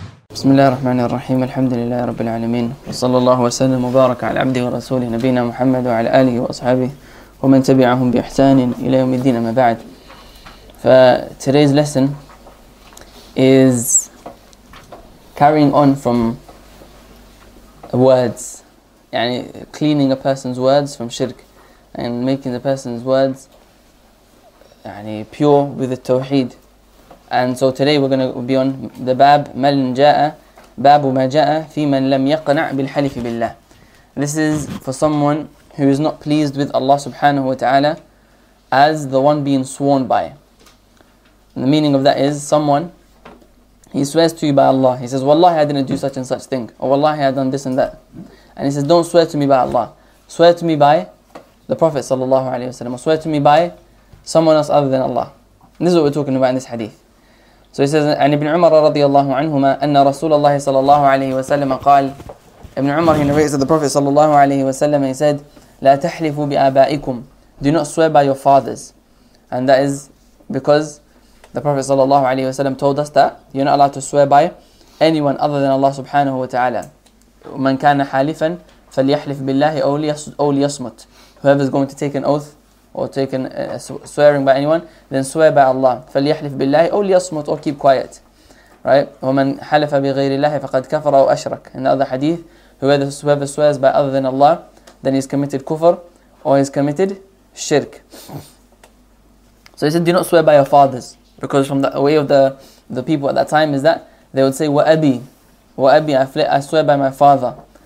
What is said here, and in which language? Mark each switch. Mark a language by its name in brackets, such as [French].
[Arabic] بسم الله الرحمن الرحيم، الحمد لله رب العالمين، وصلى الله وسلم وبارك على عبده ورسوله نبينا محمد وعلى آله وأصحابه ومن تبعهم بإحسان إلى يوم الدين، أما بعد. [English] Today's lesson is carrying on from words, [Arabic] يعني [English] cleaning a person's words from shirk and making the person's words يعني pure with the tawheed. And so today we're going to be on the bab man jaa, bab ma jaa fi man lam yaqna' bil halif billah. This is for someone who is not pleased with Allah subhanahu wa ta'ala as the one being sworn by. And the meaning of that is someone, he swears to you by Allah. He says, Wallahi, I didn't do such and such thing. Or Wallahi, I done this and that. And he says, don't swear to me by Allah. Swear to me by the Prophet sallallahu alayhi wa sallam. Or swear to me by someone else other than Allah. And this is what we're talking about in this hadith. So he says, [Arabic] عن ابن عمر رضي الله عنهما أن رسول الله صلى الله عليه وسلم قال. [English] Ibn Umar, he narrates that the Prophet [Arabic] صلى الله عليه وسلم, [English] he said, [Arabic] لا تحلفوا بآبائكم. [English] Do not swear by your fathers. And that is because the Prophet [Arabic] صلى الله عليه وسلم [English] told us that you're not allowed to swear by anyone other than Allah subhanahu wa ta'ala. [Arabic] من كان حالفا فليحلف بالله أو ليصمت. [English] Whoever is going to take an oath or taken swearing by anyone, then swear by Allah. [Arabic] فَلْيَحْلِفْ بِاللَّهِ أَوْ لِيَصْمُتْ [English] or keep quiet. Right? [Arabic] وَمَنْ حَلَفَ بِغَيْرِ اللَّهِ فَقَدْ كَفَرَ أَوْ أَشْرَكْ. [English] In the other hadith, whoever swears by other than Allah, then he's committed kufr or he's committed shirk. So he said, do not swear by your fathers. Because from the way of the people at that time is that they would say, [Arabic] وَأَبِي [English] I swear by my father.